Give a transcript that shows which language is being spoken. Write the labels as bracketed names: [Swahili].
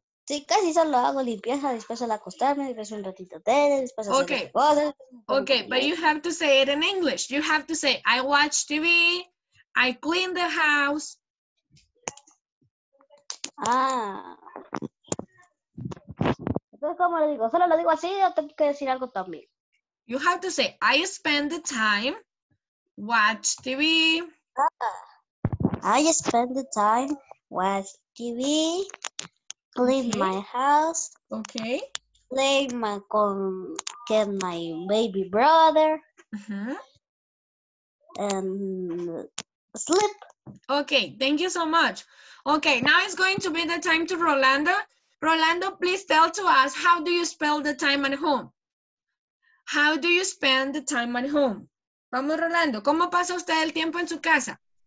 [Spanish] Sí, casi solo hago limpieza, después al acostarme, después un ratito de tele, después hacer [English] okay. [Spanish] cosas. [English] Okay, but you have to say it in English. You have to say, I watch TV, I clean the house. Ah. [Spanish] Entonces, ¿cómo lo digo? ¿Solo lo digo así o tengo que decir algo también? [English] You have to say, I spend the time, watch TV. Ah. I spend the time, watch TV. Clean okay. my house. Okay. Play my get my baby brother. Uh-huh. And sleep. Okay, thank you so much. Okay, now it's going to be the time to Rolando. Rolando, please tell to us, how do you spell the time at home? How do you spend the time at home? [Spanish] Vamos, Rolando. ¿Cómo pasa usted el tiempo en su casa?